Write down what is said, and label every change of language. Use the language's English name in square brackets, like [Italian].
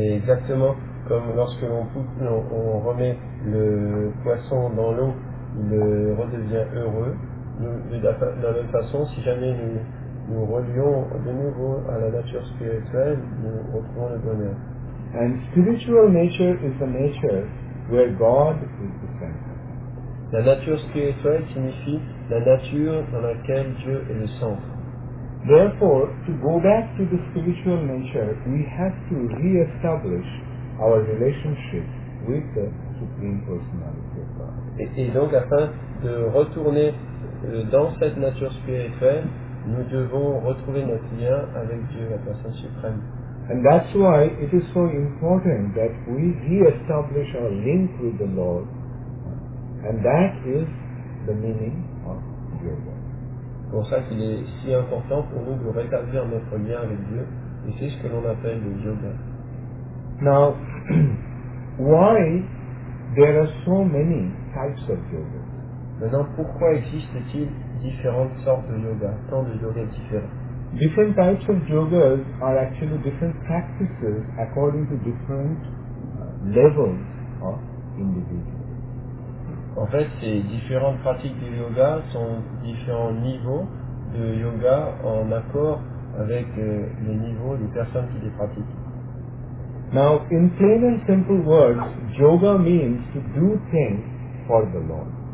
[French] Et exactement comme lorsque on remet le poisson dans l'eau, il redevient heureux. De la même façon, si jamais nous relions de nouveau à la nature spirituelle, nous retrouvons le bonheur. [English] And spiritual nature is the nature where God is the center. [French] La nature spirituelle signifie la nature dans laquelle Dieu est le centre. [English] Therefore, to go back to the spiritual nature, we have to re-establish our relationship with the Supreme Personality of God. [French] Et donc, afin de retourner dans cette nature spirituelle, nous devons retrouver notre lien avec Dieu, la personne suprême. [English] And that's why it is so important that we re-establish our link with the Lord. And that is the meaning of yoga. [French] Pour ça, qu'il est si important pour nous de rétablir notre lien avec Dieu, et c'est ce que l'on appelle le yoga. [English] Now, why there are so many types of yoga? [French] Maintenant, pourquoi existe-t-il différentes sortes de yoga, tant de yoga différents? [English] Different types of yoga are actually different practices according to different levels of individuals. [French] En fait, ces différentes pratiques du yoga sont différents niveaux de yoga en accord avec les niveaux des personnes qui les pratiquent. [English] Now, in plain and simple words, yoga means to do things for the Lord.